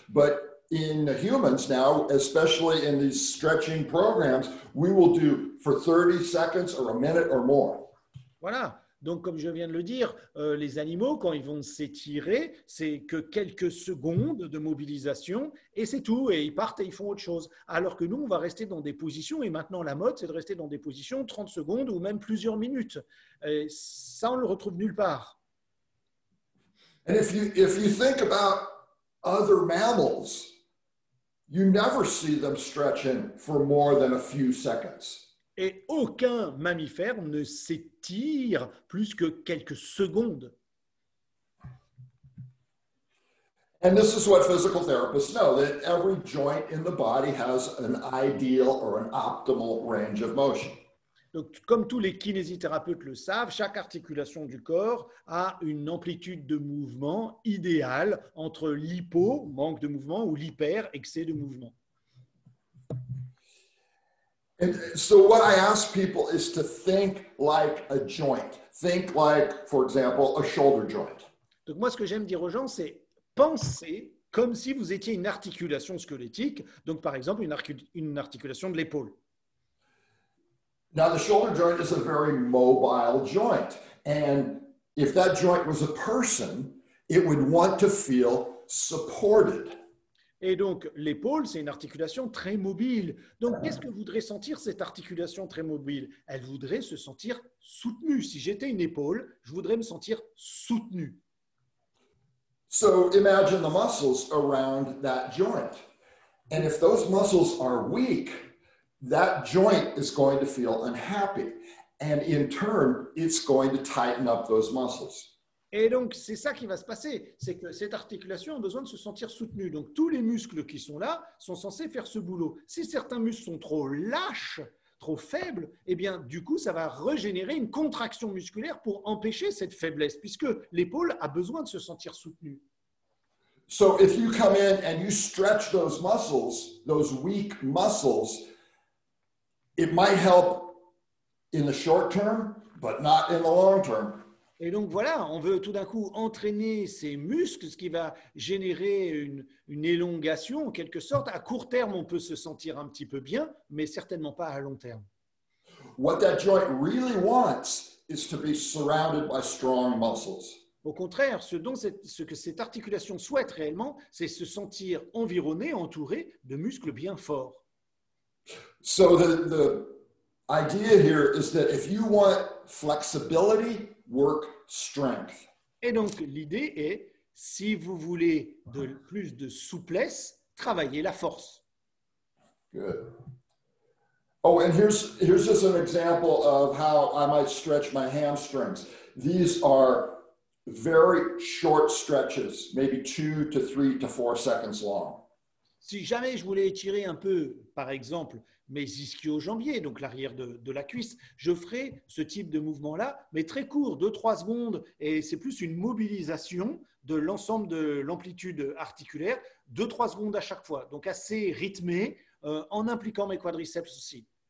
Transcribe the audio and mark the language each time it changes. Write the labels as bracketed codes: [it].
[en] But in humans now, especially in these stretching programs, we will do for 30 seconds or a minute or more. [fr] Voilà, donc comme je viens de le dire, les animaux, quand ils vont s'étirer, c'est que quelques secondes de mobilisation et c'est tout, et ils partent et ils font autre chose. Alors que nous, on va rester dans des positions, et maintenant la mode, c'est de rester dans des positions 30 secondes ou même plusieurs minutes. Et ça, on le retrouve nulle part. [en] And if you think about other mammals, you never see them stretching for more than a few seconds. [fr] Et aucun mammifère ne s'étire plus que quelques secondes. [en] And this is what physical therapists know, that every joint in the body has an ideal or an optimal range of motion. [fr] Donc, comme tous les kinésithérapeutes le savent, chaque articulation du corps a une amplitude de mouvement idéale entre l'hypo, manque de mouvement, ou l'hyper, excès de mouvement. [en] And so what I ask people is to think like a joint. Think like, for example, a shoulder joint. [fr] Donc moi, ce que j'aime dire aux gens, c'est penser comme si vous étiez une articulation squelettique. Donc par exemple, une articulation de l'épaule. [en] Now the shoulder joint is a very mobile joint. And if that joint was a person, it would want to feel supported. [fr] Et donc, l'épaule, c'est une articulation très mobile. Donc, qu'est-ce que voudrait sentir cette articulation très mobile? Elle voudrait se sentir soutenue. Si j'étais une épaule, je voudrais me sentir soutenue. [en] So, imagine the muscles around that joint. And if those muscles are weak, that joint is going to feel unhappy. And in turn, it's going to tighten up those muscles. [fr] Et donc, c'est ça qui va se passer, c'est que cette articulation a besoin de se sentir soutenue. Donc, tous les muscles qui sont là sont censés faire ce boulot. Si certains muscles sont trop lâches, trop faibles, eh bien, du coup, ça va régénérer une contraction musculaire pour empêcher cette faiblesse, puisque l'épaule a besoin de se sentir soutenue. [en] So, if you come in and you stretch those muscles, those weak muscles, it might help in the short term, but not in the long term. [fr] Et donc voilà, on veut tout d'un coup entraîner ces muscles, ce qui va générer une élongation en quelque sorte. À court terme, on peut se sentir un petit peu bien, mais certainement pas à long terme. [en] What that joint really wants is to be surrounded by strong muscles. [fr] Au contraire, ce que cette articulation souhaite réellement, c'est se sentir environné, entouré de muscles bien forts. [en] So the idea here is that if you want flexibility, work strength. [fr] Et donc l'idée est, si vous voulez de plus de souplesse, travaillez la force. [en] Good. Oh, and here's just an example of how I might stretch my hamstrings. These are very short stretches, maybe 2 to 3 to 4 seconds long. [fr] Si jamais je voulais étirer un peu, par exemple, mes ischio-jambiers, donc l'arrière de la cuisse, je ferais ce type de mouvement-là, mais très court, 2-3 secondes, et c'est plus une mobilisation de l'ensemble de l'amplitude articulaire, 2-3 secondes à chaque fois, donc assez rythmé, en impliquant mes quadriceps aussi.